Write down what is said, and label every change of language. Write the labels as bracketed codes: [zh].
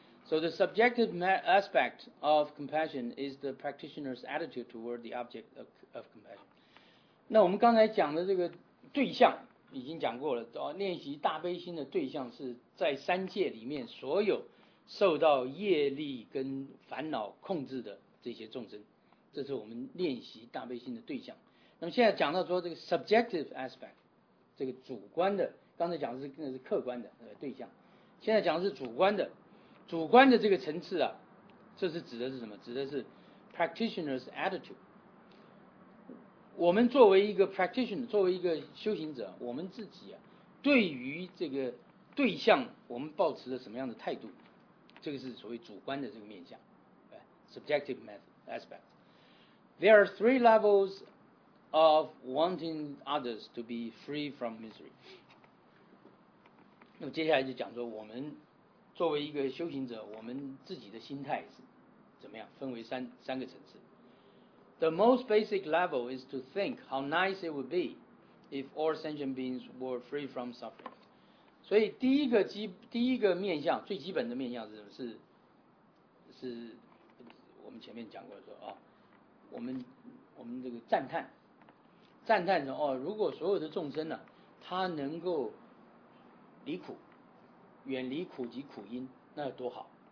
[en] So the subjective aspect of compassion is the practitioner's attitude toward the object of compassion。 [zh] 那我们刚才讲的这个对象已经讲过了，练习大悲心的对象是在三界里面所有受到业力跟烦恼控制的这些众生，这是我们练习大悲心的对象。那么现在讲到说这个 [en] subjective aspect， [zh] 这个主观的，刚才讲的是客观的对象，现在讲的是主观的。主观的这个层次啊，这是指的是什么？指的是 [en] practitioner's attitude。 [zh] 我们作为一个 practitioner， 作为一个修行者，我们自己啊对于这个对象我们抱持了什么样的态度，这个是所谓主观的这个面向， [en] subjective aspect。 There are three levelsOf wanting others to be free from misery。 [zh] 那么接下来就讲说我们作为一个修行者，我们自己的心态是怎么样，分为三个层次。 [en] The most basic level is to think how nice it would be if all sentient beings were free from suffering。 [zh] 所以第一个面向，最基本的面向是什么？是我们前面讲过的说啊，我们这个赞叹说哦，如果所有的众生呢、啊，他能够离苦，远离苦及苦因，那有多好？